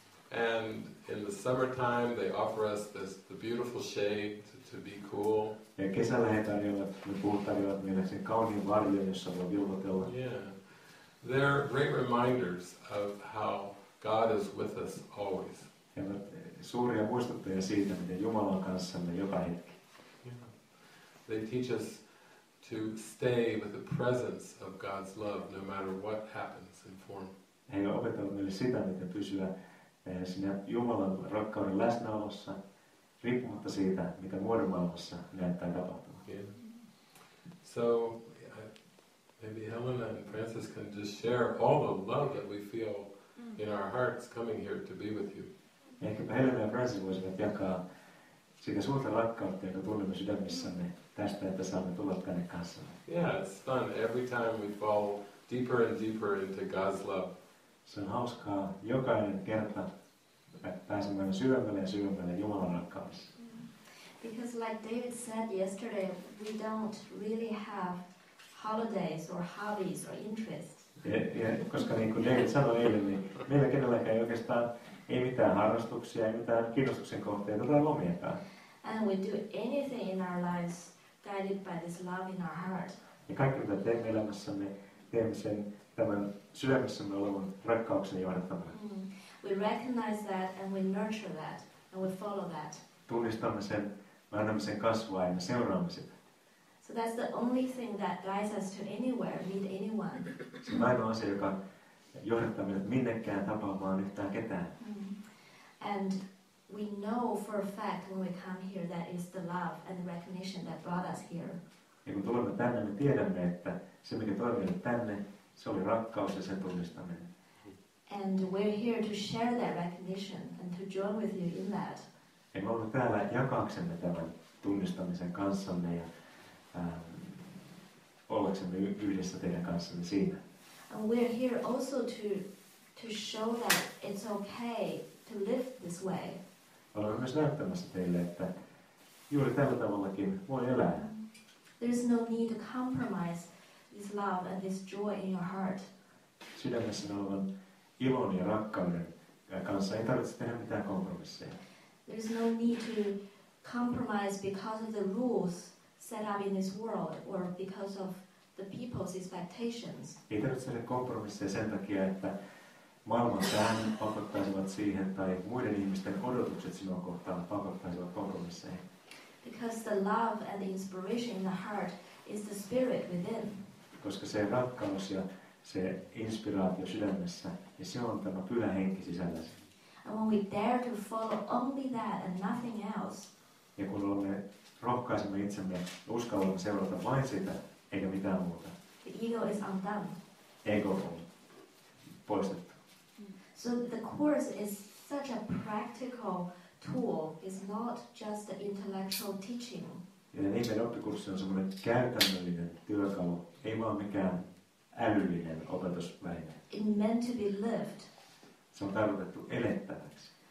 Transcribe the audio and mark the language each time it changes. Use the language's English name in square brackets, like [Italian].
[English] And in the summertime, they offer us the beautiful shade to be cool. [Finnish] Ja kesällä he tarjoavat, ne puut tarjoavat meille sen kauniin varjon, jossa voi vilvoitella. [English] Yeah. They're great reminders of how God is with us always. [Finnish] He ovat suuria muistuttajia siitä, miten Jumala on kanssamme joka hetki. [English] Yeah. They teach us to stay with the presence of God's love no matter what happens in form. [Finnish] He opettavat meille sitä, miten pysyä sinä Jumalan rakkauden läsnäolossa, riippumatta siitä, mitä muodon maailmassa näyttää tapahtumaan. [English] Yeah. So, maybe Helen and Francis can just share all the love that we feel in our hearts coming here to be with you. [Finnish] Ehkäpä Helen ja Francis voisivat jakaa sitä suurta rakkautta, jonka tunnemme sydämissämme tästä, että saamme tulla tänne kanssamme. [English] Yeah, it's fun. Every time we fall deeper and deeper into God's love. [Finnish] Se on hauskaa jokainen kerta pääsemme syvemmälle ja syvemmälle Jumalan rakkaudessa. [English] Because like David said yesterday, we don't really have holidays or hobbies or interests. [Finnish] Ja koska niin kuin David sanoi eilen, niin meillä kenelläkään ei oikeastaan ei mitään harrastuksia, ei mitään kiinnostuksen kohteita tai lomiakaan. [English] And we do anything in our lives guided by this love in our heart. [Finnish] Ja kaikki mitä teemme elämässämme, teemme sen tämän sydämessämme olevan rakkauksen johdattamana. Mm-hmm. [English] We recognize that and we nurture that and we follow that. [Finnish] Tunnistamme sen, me annamme sen kasvua ja me seuraamme sitä. [English] So that's the only thing that guides us to anywhere, meet anyone. [Finnish] Se on ainoa asia, joka johdattaa meidät minnekään tapaamaan yhtään ketään. [English] And we know for a fact when we come here that is the love and the recognition that brought us here. [Finnish] Ja kun tulemme tänne, me tiedämme, että se mikä toi meidät tänne, se oli rakkaus ja sen tunnistaminen. [English] And we're here to share that recognition and to join with you in that. [Finnish] Ja me olemme täällä jakaaksemme tämän tunnistamisen kanssanne ja ollaksemme yhdessä teidän kanssanne siinä. [English] And we're here also to show that it's okay to live this way. [Finnish] Olemme myös näyttämässä teille, että juuri tällä tavallakin voi elää. [English] There's no need to compromise this love and this joy in your heart. [Finnish] Sydämessä olevan ilon ja rakkauden kanssa ei tarvitse tehdä mitään kompromisseja. [English] There's no need to compromise because of the rules set up in this world or because of the people's expectations. [Finnish] Ei tarvitse tehdä kompromisseja sen takia, että maailman sään pakottaisivat siihen tai muiden ihmisten odotukset sinua kohtaan pakottaisivat kompromisseja. [English] Because the love and the inspiration in the heart is the spirit within. [Finnish] Koska se rakkaus ja se inspiraatio sydämessä, ja se on tämä pyhä henki sisälläsi. [English] And when we dare to follow only that and nothing else. [Finnish] Ja kun olemme rohkaisemme itsemme, uskallamme seurata vain sitä, eikä mitään muuta. [English] The ego is undone. [Finnish] Ego on poistettu. [English] So the course is such a practical tool. It's not just the intellectual teaching. [Finnish] Ja niiden oppikurssi on semmoinen käytännöllinen työkalu. Ei vaan mikään älyllinen opetusväline. [English] It meant to be lived. [Finnish] Se on tarkoitettu elettäväksi.